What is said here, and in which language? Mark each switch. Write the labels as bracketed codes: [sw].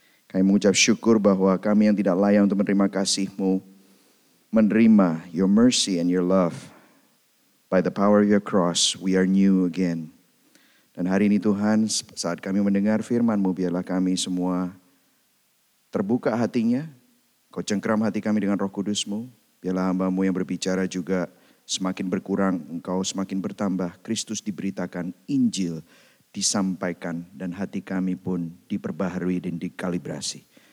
[id] Kami mengucap syukur bahwa kami yang tidak layak untuk menerima kasih-Mu, menerima [en] Your mercy and Your love. By the power of Your cross, we are new again. [id] Dan hari ini Tuhan, saat kami mendengar firman-Mu, biarlah kami semua terbuka hatinya. Kau cengkeram hati kami dengan Roh Kudus-Mu. Biarlah hamba-Mu yang berbicara juga semakin berkurang, Engkau semakin bertambah, Kristus diberitakan, Injil disampaikan, dan hati kami pun diperbaharui dan dikalibrasi.